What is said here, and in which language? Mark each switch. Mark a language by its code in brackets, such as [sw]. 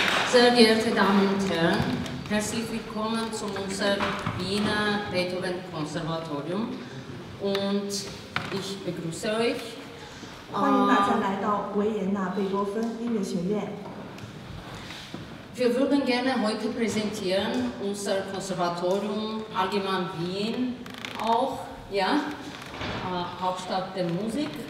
[de] Sehr geehrte Damen und Herren, herzlich willkommen zu unserem Wiener Beethoven Konservatorium und ich begrüße euch. [zh] 欢迎大家来到维也纳贝多芬音乐学院。 [de] Wir würden gerne heute präsentieren unser Konservatorium Allgemein Wien, auch ja, Hauptstadt der Musik.